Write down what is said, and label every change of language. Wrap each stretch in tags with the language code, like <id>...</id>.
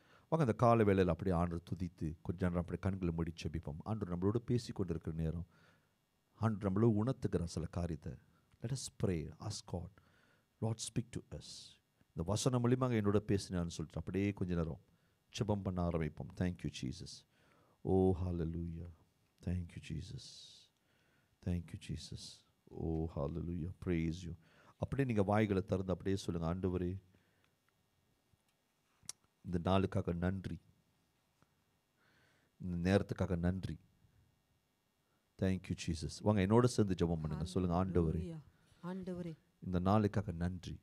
<ta>வாங்க அந்த கால வேளையில் அப்படியே ஆண்டவர் துதித்து கொஞ்ச நேரம் அப்படி கண்களை முடிச்சு ஜெபிப்போம். ஆண்டவர் நம்மளோட பேசி கொண்டிருக்கிற நேரம் ஆண்டவர் நம்மளோ உணர்த்துக்கிற சில காரியத்தை,</ta> <en>Let us pray, ask God, Lord speak to us.</en> <ta>இந்த வசனம் மூலமாக என்னோட பேசினான்னு சொல்லிட்டு அப்படியே கொஞ்ச நேரம் ஜெபம் பண்ண ஆரம்பிப்போம்.</ta> <en>Thank you Jesus, oh hallelujah, thank you jesus, thank you jesus, oh hallelujah, praise you.</en> <ta>அப்படி நீங்க வாய்களை திறந்து அப்படியே சொல்லுங்க, ஆண்டவரே இந்த நாளுக்காக நன்றி, இந்த நேரத்துக்காக நன்றி,</ta> <en>thank you jesus.</en> <ta>வாங்க என்னோட சேர்ந்து ஜெபம் பண்ணுங்க, சொல்லுங்க, ஆண்டவரே, ஆண்டவரே இந்த நாளுக்காக நன்றி,</ta>